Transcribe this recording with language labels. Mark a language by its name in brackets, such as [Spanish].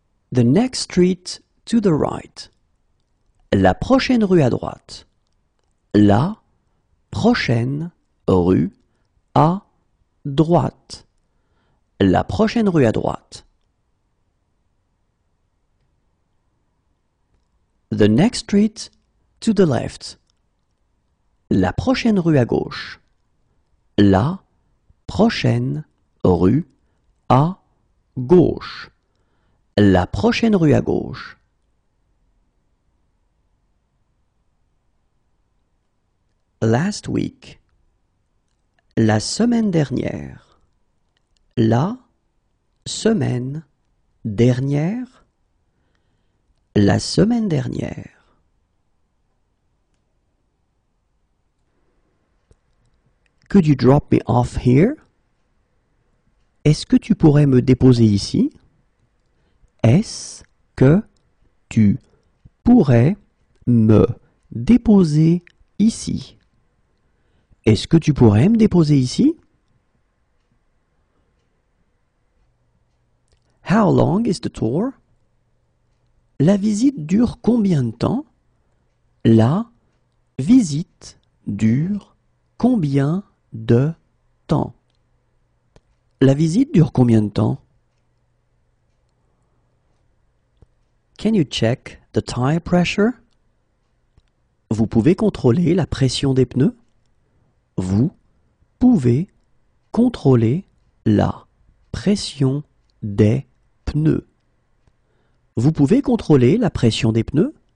[English] The next street to the right. [French] La prochaine rue à droite. La prochaine rue à droite. La prochaine rue à droite. [English] The next street to the left. [French] La prochaine rue à gauche. La prochaine rue à gauche. La prochaine rue à gauche. [English] Last week. [French] La semaine dernière. La semaine dernière. La semaine dernière. [English] Could you drop me off here? [French] Est-ce que tu pourrais me déposer ici? Est-ce que tu pourrais me déposer ici? Est-ce que tu pourrais me déposer ici? [English] How long is the tour? [French] La visite dure combien de temps? La visite dure combien de temps? La visite dure combien de temps? [English] Can you check the tire pressure? [French] Vous pouvez contrôler la pression des pneus? Vous pouvez contrôler la pression des pneus. Vous pouvez contrôler la pression des pneus?